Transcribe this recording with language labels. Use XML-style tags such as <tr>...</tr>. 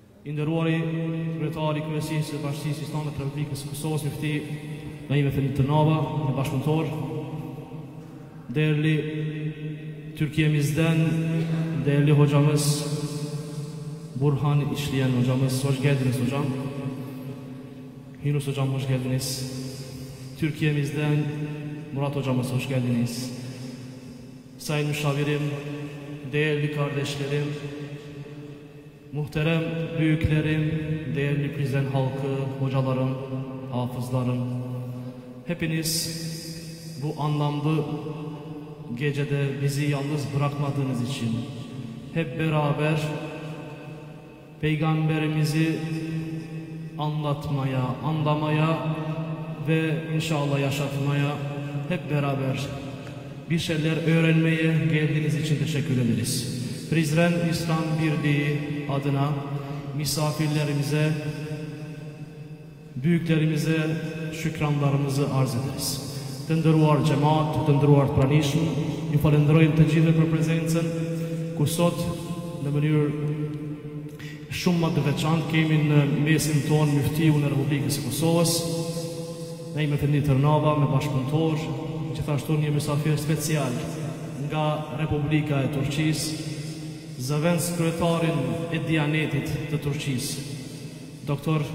<sq>I nderuari kryetari i Kryesisë së Bashkisë Islame të Republikës së Kosovës, mufti Naime Fenit Tërnava, një bashkëpunëtor,</sq> <tr>Derli Türkiye'mizden değerli hocamız Burhan İşleyen hocamız, hoş geldiniz hocam. Yunus hocam hoş geldiniz. Türkiye'mizden Murat hocamız hoş geldiniz. Sayın müşavirim, değerli kardeşlerim, muhterem büyüklerim, değerli prizren halkı, hocalarım, hafızlarım, hepiniz bu anlamlı gecede bizi yalnız bırakmadığınız için, hep beraber peygamberimizi anlatmaya, anlamaya ve inşallah yaşatmaya, hep beraber bir şeyler öğrenmeye geldiğiniz için teşekkür ederiz. Prizren İslam Birliği adına misafirlerimize, büyüklerimize şükranlarımızı arz ederiz.</tr> <sq>Të ndëruar cemaat, të ndëruar pranishëm, ju falenderojmë të gjithë për prezencën, ku sot në mënyrë shumë më të veçantë kemi në mesin tonë Myftiun e Republikës së Kosovës, Naime Fenit Tërnava, me bashkëpunëtor, gjithashtu një mysafir special nga Republika e Turqisë, zëvendës kryetarin e Dianetit të Turqisë, Dr.</sq>